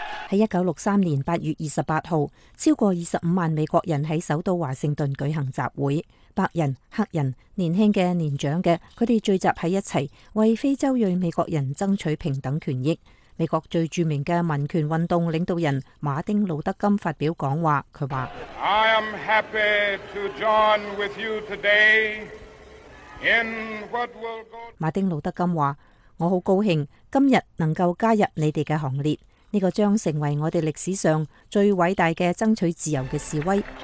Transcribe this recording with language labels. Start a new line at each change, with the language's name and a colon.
Chinese: 在1963年8月28号，超过25万美国人在首都华盛顿举行集会，白人、黑人、年轻的、年长的，他们聚集在一起，为非洲裔美国人争取平等权益。美国最著名的民权运动领导人马丁·路德·金发表讲话，他说
English: I am happy to join with you today in what will go...
Chinese: 马丁·路德·金说，我很高兴今日能够加入你们的行列，这个将成为我们历史上最伟大的争取自由的示威。